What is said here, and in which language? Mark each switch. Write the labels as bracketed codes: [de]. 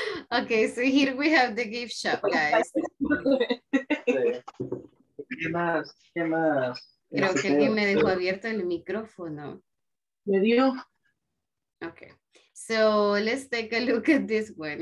[en] Okay, so here we have the gift shop, guys. [es] ¿Qué más? ¿Qué más? Creo que alguien me dejó abierto el micrófono. [en] Okay, so let's take a look at this one.